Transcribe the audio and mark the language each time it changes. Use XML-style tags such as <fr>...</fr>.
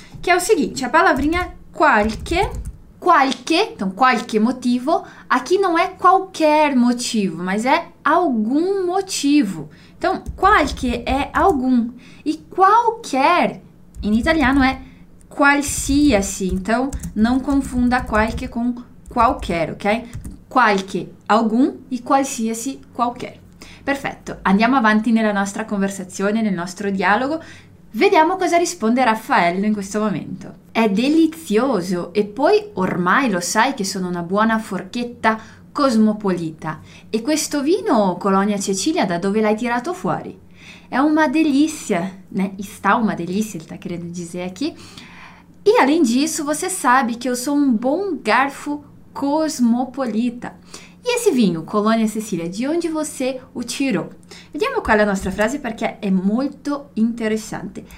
<pt>Que é o seguinte, a palavrinha qualche, qualche, então qualche motivo, aqui não é qualquer motivo, mas é algum motivo. Então, qualche é algum. E qualquer, em italiano, é qualsiasi. Então, não confunda qualche com qualquer, ok? Qualche, algum, e qualsiasi, qualquer. Perfetto.</pt> <it>Andiamo avanti nella nostra conversazione, nel nostro dialogo. Vediamo cosa risponde Raffaello in questo momento. È delizioso. E poi, ormai lo sai che sono una buona forchetta cosmopolita. E questo vino, Colonia Cecilia, da dove l'hai tirato fuori? È una delizia, né?</it> <pt>Está uma delícia, ele tá querendo dizer aqui. E além disso, você sabe que eu sou um bom garfo cosmopolita. E esse vinho, Colonia Cecilia, de onde você o tirou? Vediamo qual é a nossa frase, porque é muito interessante.</pt>